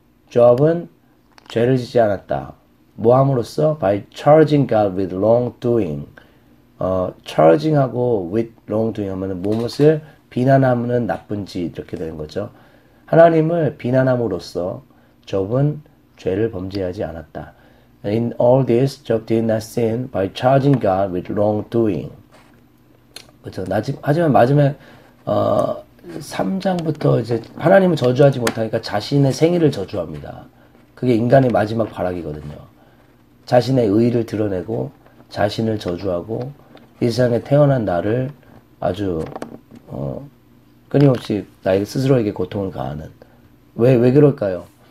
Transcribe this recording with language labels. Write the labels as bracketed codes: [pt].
[ko] Job은 죄를 짓지 않았다. 뭐함으로써? [en] By charging God with wrongdoing. [ko] Charging하고 [en] with wrongdoing [ko] 하면은 무엇을 비난하면은 나쁜 짓 이렇게 되는 거죠. 하나님을 비난함으로써 Job은 죄를 범죄하지 않았다. [en] In all this, Job did not sin by charging God with wrongdoing. [ko] 그렇죠. 하지만 마지막 3장부터 이제 하나님을 저주하지 못하니까 자신의 생일을 저주합니다. 그게 인간의 마지막 발악이거든요. 자신의 의의를 드러내고 자신을 저주하고 이 세상에 태어난 나를 아주 끊임없이 나에게 스스로에게 고통을 가하는. 왜 그럴까요?